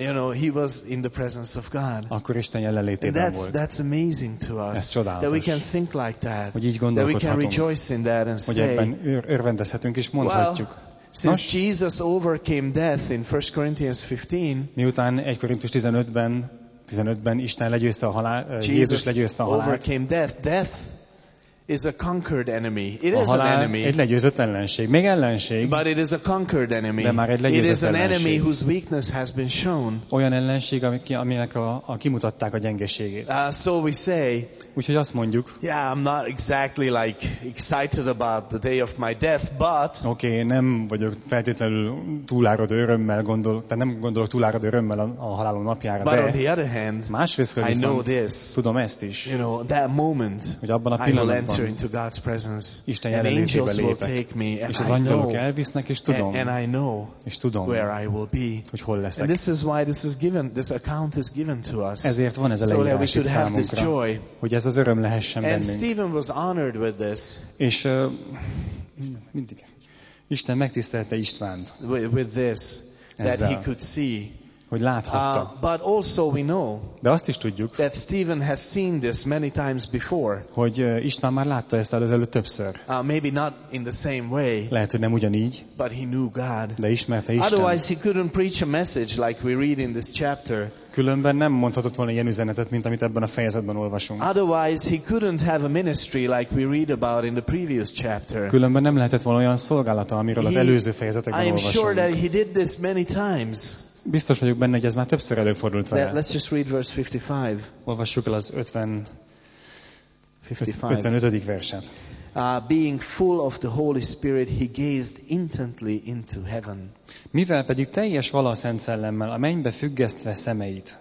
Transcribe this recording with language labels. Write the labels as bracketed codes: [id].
[en] you know, he was in the presence of God. [hu] Akkor Isten jelenlétében [en] and that's, [hu] volt. [en] That's amazing to us. [hu] Ez csodálatos. [en] That we can think like that. [hu] Hogy így gondolkodhatunk. [en] That we can rejoice in that and [hu] hogy ebben örvendezhetünk és mondhatjuk. [en] Well, since Jesus overcame death in 1 Corinthians 15. [hu] Miután 1 Korintus 15-ben Isten legyőzte a halál, Jézus legyőzte a halált. [en] Overcame death. Death is a conquered enemy. It is an enemy. [hu] Egy legyőzött ellenség. Még ellenség. [en] But it is a conquered enemy. [hu] De már egy legyőzött [en] it is an [hu] ellenség. [en] Enemy whose weakness has been shown. [hu] Olyan ellenség, aminek a kimutatták a gyengeségét. [en] So we say. [hu] Úgyhogy azt mondjuk. [en] Yeah, I'm not exactly like excited about the day of my death, but. [hu] Okay, nem vagyok feltétlenül túlárad örömmel nem gondolok túlárad örömmel a halálom napjára. [en] But [hu] de [en] on the other hand, I know this. [hu] Tudom ezt is. [en] You know that moment. [hu] Hogy abban a pillanatban. [en] Enter into God's presence. [hu] Isten jelenlétébe lépek. És az angyalok elvisznek, és tudom. [en] And I know where I will be. [hu] Hogy hol leszek. [en] And this is why this is given. This account is given to us. [hu] Ezért van ez a leírás számunkra. [en] So that we should have this joy. [hu] Hogy ez az öröm lehessen bennünk. [en] And Stephen was honored with this. [hu] És mindig. Isten megtisztelte Istvánt. [en] With this, that he could see. [hu] Hogy láthatta. [en] But also we know. [hu] De azt is tudjuk. [en] That Stephen has seen this many times before. [hu] Hogy István már látta ezt előtt többször. [en] Maybe not in the same way. [hu] Lehet, hogy nem ugyanígy. [en] But he knew God. [hu] De ismerte Istent. [en] Otherwise he couldn't preach a message like we read in this chapter. [hu] Különben nem mondhatott volna ilyen üzenetet, mint amit ebben a fejezetben olvasunk. [en] Otherwise he couldn't have a ministry like we read about in the previous chapter. [hu] Különben nem lehetett volna olyan szolgálata, amiről az előző fejezetekben olvasunk. [en] I am sure that he did this many times. [hu] Biztos vagyok benne, hogy ez már többször előfordult vele. [en] Let's just read verse 55. [hu] Olvassuk el az 55. verset. [en] Being full of the Holy Spirit, he gazed intently into heaven. [hu] Mivel pedig teljes vala a Szent Szellemmel, a mennybe függesztve szemeit.